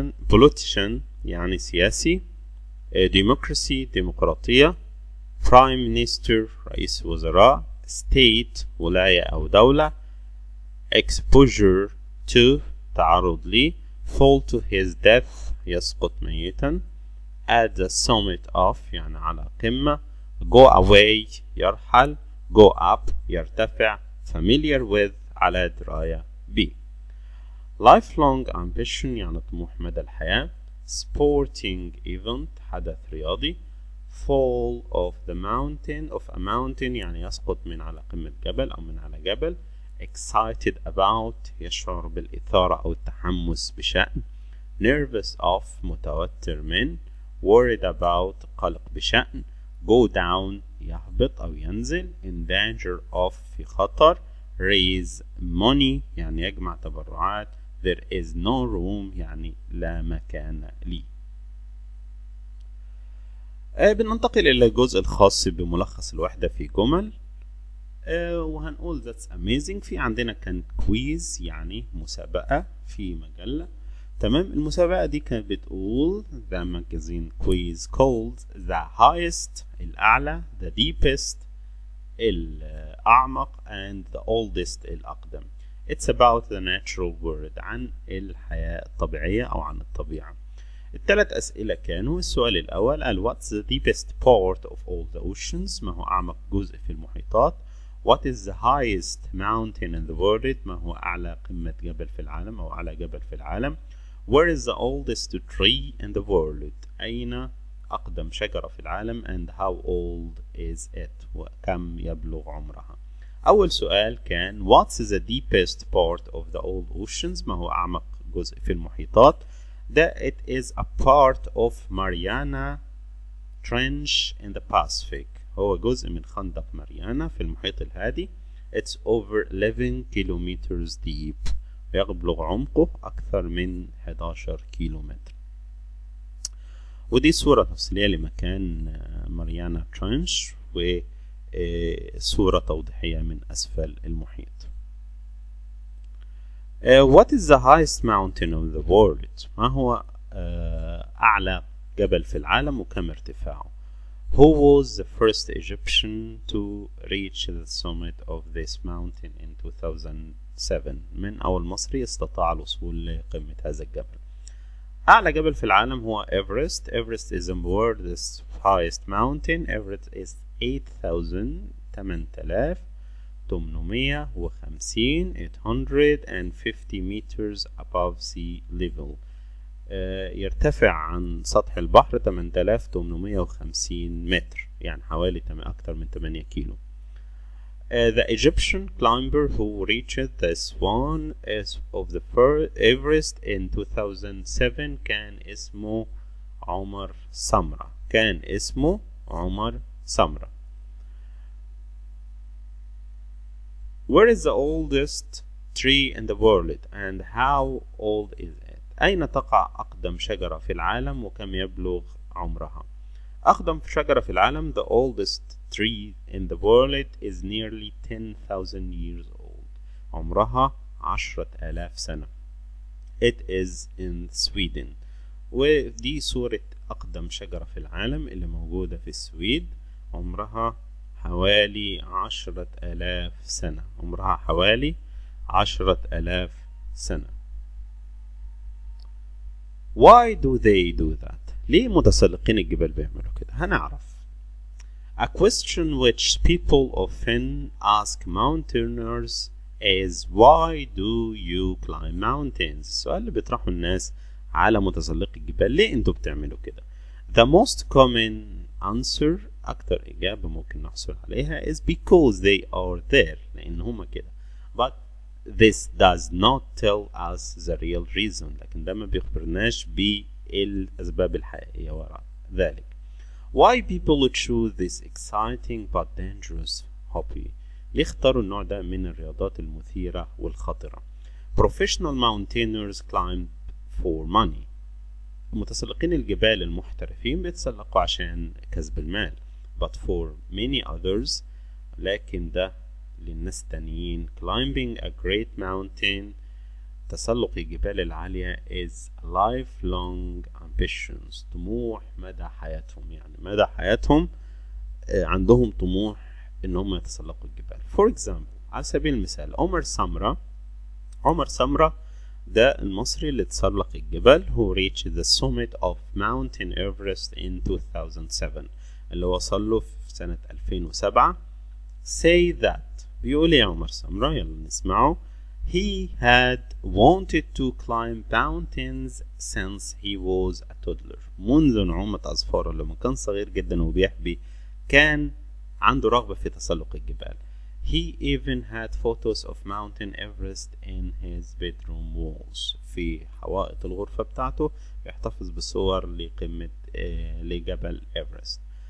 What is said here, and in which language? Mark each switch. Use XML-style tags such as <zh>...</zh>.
<en>politician</en> <ar>يعني سياسي،</ar> <en>democracy ديمقراطية، prime minister</en> <ar>رئيس وزراء،</ar> <en>state</en> <ar>ولاية أو دولة،</ar> <en>exposure to</en> <ar>تعرض لي،</ar> <en>fall to his death</en> <ar>يسقط ميتا،</ar> <en>at the summit of</en> <ar>يعني على قمة،</ar> <en>go away يرحل، go up يرتفع، familiar with</en> <ar>على دراية به.</ar> <en>lifelong ambition</en> <ar>يعني طموح مدى الحياة.</ar> <en>sporting event</en> <ar>حدث رياضي.</ar> <en>fall of the mountain of a mountain</en> <ar>يعني يسقط من على قمة جبل أو من على جبل.</ar> <en>excited about</en> <ar>يشعر بالإثارة أو التحمس بشأن.</ar> <en>nervous of</en> <ar>متوتر من.</ar> <en>worried about</en> <ar>قلق بشأن.</ar> <en>go down</en> <ar>يهبط أو ينزل.</ar> <en>in danger of</en> <ar>في خطر.</ar> <en>raise money</en> <ar>يعني يجمع تبرعات.</ar> <en>there is no room</en> <ar>يعني لا مكان لي. بننتقل إلى الجزء الخاص بملخص الوحدة في جمل. وهنقول</ar> <en>that's amazing.</en> <ar>في عندنا كان quiz يعني مسابقة في مجلة. تمام. المسابقة دي كانت بتقول</ar> <en>the magazine quiz called the highest الأعلى, the deepest الأعمق, and the oldest الأقدم. It's about the natural world</en> <ar>عن الحياة الطبيعية أو عن الطبيعة. الثلاث أسئلة كانوا: السؤال الأول قال</ar> <en>what's the deepest part of all the oceans</en> <ar>ما هو أعمق جزء في المحيطات.</ar> <en>What is the highest mountain in the world</en> <ar>ما هو أعلى قمة جبل في العالم أو أعلى جبل في العالم.</ar> <en>Where is the oldest tree in the world</en> <ar>أين أقدم شجرة في العالم.</ar> <en>And how old is it</en> <ar>وكم يبلغ عمرها. أول سؤال كان</ar> <en>what's the deepest part of the old oceans</en> <ar>ما هو أعمق جزء في المحيطات.</ar> <en>That it is a part of Mariana Trench in the Pacific.</en> <ar>هو جزء من خندق ماريانا في المحيط الهادي.</ar> <en>It's over 11 kilometers deep.</en> <ar>يبلغ عمقه أكثر من 11 كيلومتر. ودي صورة تفصيلية لمكان</ar> <en>Mariana Trench</en> <ar>وصورة توضيحية من أسفل المحيط.</ar> <en>What is the highest mountain in the world?</en> <ar>ما هو أعلى جبل في العالم وكم ارتفاعه؟</ar> <en>Who was the first Egyptian to reach the summit of this mountain in 2007?</en> <ar>من أول مصري استطاع الوصول لقمة هذا الجبل؟ أعلى جبل في العالم هو</ar> <en>Everest. Everest is the world's highest mountain. Everest is 8,850 meters above sea level.</en> <ar>يرتفع عن سطح البحر 8,850 متر يعني حوالي أكثر من 8 كيلو.</ar> <en>The Egyptian climber who reached this one is of the first Everest in 2007</en> <ar>كان اسمه عمر سمرة. كان اسمه عمر سمرة.</ar> <en>Where is the oldest tree in the world and how old is it?</en> <ar>أين تقع أقدم شجرة في العالم وكم يبلغ عمرها؟ أقدم شجرة في العالم,</ar> <en>the oldest tree in the world is nearly 10,000 years old.</en> <ar>عمرها 10,000 سنة.</ar> <en>It is in Sweden.</en> <ar>ودي صورة أقدم شجرة في العالم اللي موجودة في السويد. عمرها حوالي 10,000 سنة. عمرها حوالي 10,000 سنة.</ar> <en>Why do they do that?</en> <ar>ليه متسلقين الجبال بيعملوا كده؟ هنعرف.</ar> <en>A question which people often ask mountaineers is why do you climb mountains?</en> <ar>السؤال اللي بيطرحه الناس على متسلقي الجبال, ليه انتوا بتعملوا كده؟</ar> <en>The most common answer,</en> <ar>اكتر اجابة ممكن نحصل عليها,</ar> <en>is because they are there,</en> <ar>لان هما كده.</ar> <en>But this does not tell us the real reason,</en> <ar>لكن ده ما بيخبرناش بي الأسباب الحقيقية وراء ذلك.</ar> <en>Why people choose this exciting but dangerous hobby?</en> <ar>ليه اختاروا النوع ده من الرياضات المثيرة والخطرة؟</ar> <en>Professional mountaineers climb for money.</en> <ar>متسلقين الجبال المحترفين بيتسلقوا عشان كسب المال.</ar> <en>But for many others,</en> <ar>لكن ده للناس تانيين,</ar> <en>climbing a great mountain,</en> <ar>تسلق الجبال العالية,</ar> <en>is lifelong ambitions,</en> <ar>طموح مدى حياتهم. يعني مدى حياتهم عندهم طموح انهم يتسلقوا الجبال.</ar> <en>For example,</en> <ar>على سبيل المثال, عمر سمرة ده المصري اللي تسلق الجبال,</ar> <en>who reached the summit of mountain Everest in 2007,</en> <ar>اللي وصل له في سنة 2007.</ar> <en>say that,</en> <ar>بيقول يا عمر سمرة, يلا نسمعه.</ar> <en>He had wanted to climb mountains since he was a toddler.</en> <ar>منذ نعومة أظفاره لما كان صغير جدا وبيحبي كان عنده رغبة في تسلق الجبال.</ar> <en>He even had photos of mountain Everest in his bedroom walls.</en> <ar>في حوائط الغرفة بتاعته بيحتفظ بصور لقمة لجبل إيفرست.</ar>